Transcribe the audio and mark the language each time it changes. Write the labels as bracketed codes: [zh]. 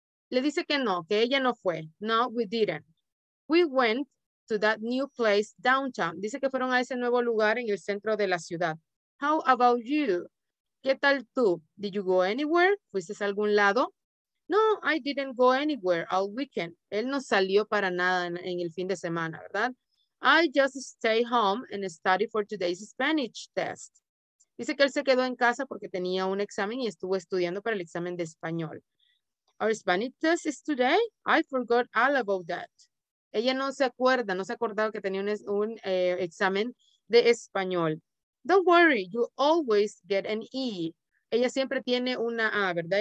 [es] Le dice que no, que ella no fue. [en] No, we didn't. We went to that new place downtown. [es] Dice que fueron a ese nuevo lugar en el centro de la ciudad. [en] How about you? [es] ¿Qué tal tú? [en] Did you go anywhere? [es] ¿Fuiste a algún lado? [en] No, I didn't go anywhere all weekend. [es] Él no salió para nada en el fin de semana, ¿verdad? [en] I just stay home and study for today's Spanish test. [es] Dice que él se quedó en casa porque tenía un examen y estuvo estudiando para el examen de español. [en] Our Spanish test is today. I forgot all about that. [es] Ella no se acordaba que tenía un examen de español. [en] Don't worry, you always get an E. [es] Ella siempre tiene una A, ¿verdad?